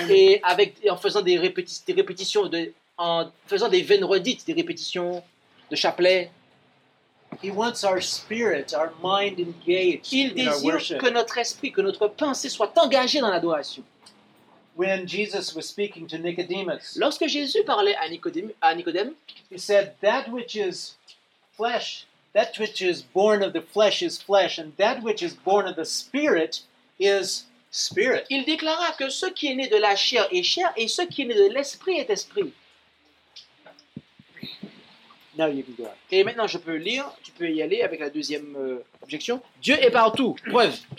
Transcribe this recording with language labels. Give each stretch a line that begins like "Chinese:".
French: et en faisant des répétitions en faisant des vaines redites, des répétitions de chapelet.
English: He wants our spirit, our mind engaged
French: Il désire que notre esprit, que notre pensée soit engagée dans l'adoration.
English: When Jesus was speaking to Nicodemus,
French: lorsque Jésus parlait à Nicodème,
English: he said, "That which is flesh, that which is born of the flesh is flesh, and that which is born of the spirit is spirit."
French: Il déclara que ce qui est né de la chair est chair, et ce qui est né de l'esprit est esprit.
English: Now you can go.
French: Et maintenant, je peux lire, tu peux y aller avec la deuxième objection. Dieu est partout. Preuve.